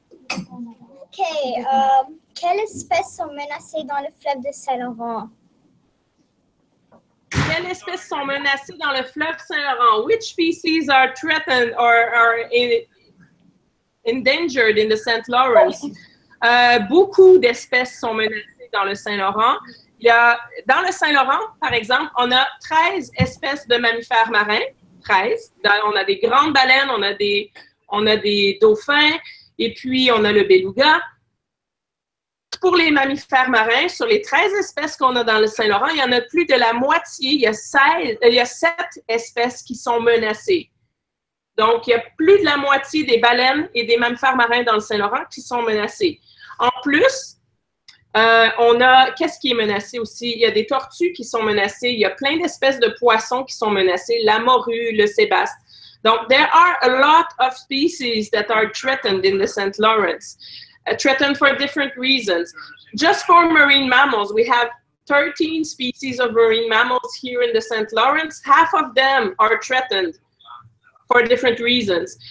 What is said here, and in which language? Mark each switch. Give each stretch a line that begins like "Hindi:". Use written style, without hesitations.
French: Okay, quelle espèce sont menacées dans le fleuve de Saint-Laurent? Quelle espèce sont menacées dans le fleuve Saint-Laurent?
English: Which species are threatened or are endangered in the St. Lawrence?
French: Beaucoup d'espèces sont menacées dans le Saint-Laurent. Il y a, dans le Saint-Laurent, par exemple, on a 13 espèces de mammifères marins. 13. On a des grandes baleines, on a des dauphins, et puis on a le beluga. Pour les mammifères marins, sur les 13 espèces qu'on a dans le Saint-Laurent, il y en a plus de la moitié, il y a 7 espèces qui sont menacées. Donc, il y a plus de la moitié des baleines et des mammifères marins dans le Saint-Laurent qui sont menacés. En plus, qu'est-ce qui est menacé aussi? Il y a des tortues qui sont menacées, il y a plein d'espèces de poissons qui sont menacées, la morue, le sébaste. Donc,
English: there are a lot of species that are threatened in the St. Lawrence. Threatened for different reasons. Just for marine mammals, we have 13 species of marine mammals here in the St. Lawrence. Half of them are threatened. For different reasons.